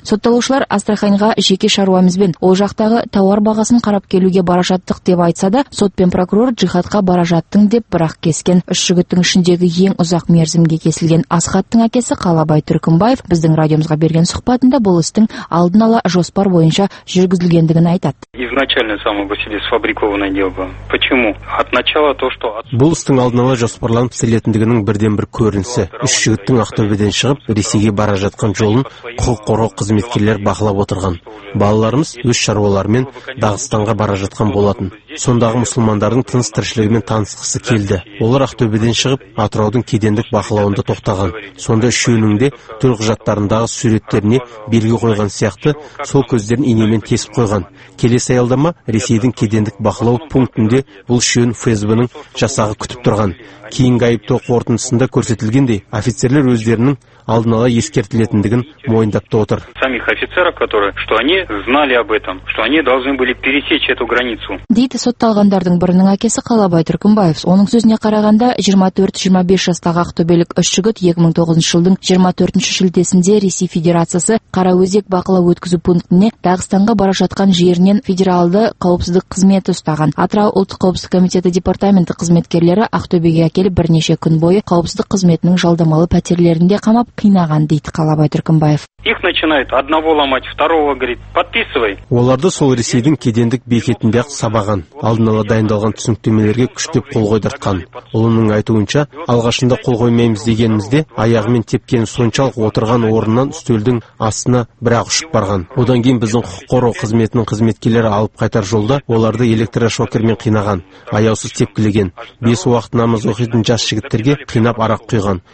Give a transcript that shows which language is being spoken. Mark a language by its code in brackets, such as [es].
[kk] Сотталушылар Астраханьға жеке шаруамызбен ол жақтағы тауар бағасын қарап келуге бара жаттық деп айтса да, сот пен прокурор джихадқа бара жаттың деп бірақ кескен. Үш жігіттің ішіндегі ең ұзақ мерзімге кесілген Асхаттың әкесі Қалабай Түркімбаев біздің радиомызға берген сұхбатында бұл істің алдын ала жоспар бойынша жүргізілгендігін айтады. [ru] Изначально само по себе сфабрикованное дело. Почему? От начала то, что [kk] бұл істің алдын ала жоспарланып істелетіндігінің бірден бір көрінісі. Үш жігіттің Ақтөбеден шығып Ресейге бара жатқан жолын құқық қорғау қызметкерлері бақылап отырған. Балаларымыз өз шаруаларымен Дағыстанға бара жатқан болатын. Сондағы мұсылмандардың тыныс тіршілігімен танысқысы келді. Олар Ақтөбеден шығып Атыраудың кедендік бақылауында тоқтаған. Сонда үшеуінің де түрқұжаттарындағы суреттеріне белгі қойған сияқты сол көздерін инемен тесіп қойған. Келесі аялдама Ресейдің кедендік бақылау пунктінде бұл үшеуін ФСБ-нің жасағы күтіп тұрған. Кейінгі айыптау қорытындысында көрсетілгендей офицерлер өздерінің алдын ала ескертілетіндігін мойындатты отыр. [ru] Самих офицеров, которые, что они знали об этом, что они должны были пересечь эту границу. [kk] Дейді сотталғандардың бірінің әкесі Қалабай Түркімбаев. Оның сөзіне қарағанда 24-25 жастағы ақтөбелік үш жігіт 2009 жылдың 24-ші шілдесінде Ресей Федерациясы Қараөзек бақылау өткізу пунктіне Дағыстанға бара жатқан жерінен федералды қауіпсіздік қызметі ұстаған. Атырау ұлттық қауіпсіздік комитеті департаменті қызметкерлері Ақтөбеге келіп бірнеше күн бойы қауіпсіздік қызметінің жалдамалы пәтерлерінде қамап қинаған дейді Қалабай Түркімбаев. [ru] Их начинают одного ломать, второго говорит, подписывай. [kk] Оларды сол Ресейдің кедендік бекетінде сабаған, алдын ала дайындалған түсініктемелерге күштеп қол қойдыртқан. Олының айтуынша, алғашында қол қоймаймыз дегенімізде, аяғымен тепкен соншалық отырған орнынан үстелдің астына бірақ ұшып барған. Одан кейін біздің құқық қорғау қызметінің қызметкерлері алып қайтар жолда оларды электрошокермен қинаған, аяусыз тепкілеген, бес уақыт намаз оқитын жас жігіттерге қинап арақ құйған.